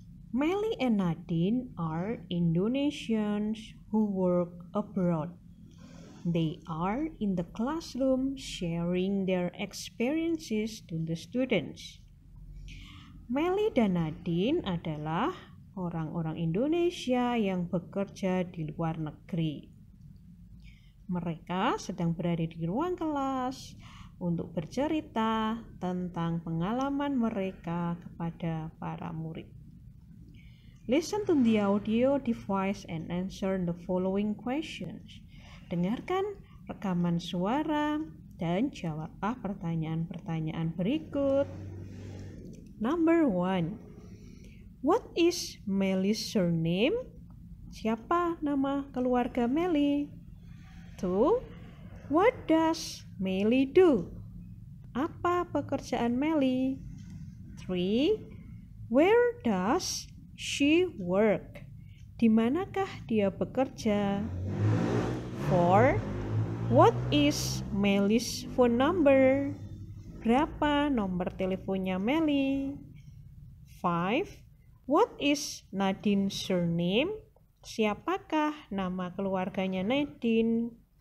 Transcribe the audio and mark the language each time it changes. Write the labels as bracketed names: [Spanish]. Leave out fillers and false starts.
[English] Melly and Nadine are Indonesians who work abroad. They are in the classroom sharing their experiences to the students. [Indonesian] Melly dan Nadine adalah orang-orang Indonesia yang bekerja di luar negeri. Mereka sedang berada di ruang kelas untuk bercerita tentang pengalaman mereka kepada para murid. [English] Listen to the audio device and answer the following questions. [Indonesian] Dengarkan rekaman suara dan jawablah pertanyaan-pertanyaan berikut. [English] Number 1. What is Melly's surname? [Indonesian] Siapa nama keluarga Melly? 2. [English] What does Melly do? [Indonesian] Apa pekerjaan Melly? [English] 3. Where does she work? [Indonesian] Di manakah dia bekerja? [English] 4. What is Melly's phone number? [Indonesian] Berapa nomor teleponnya Melly? [English] 5. What is Nadine's surname? [Indonesian] Siapakah nama keluarganya Nadine?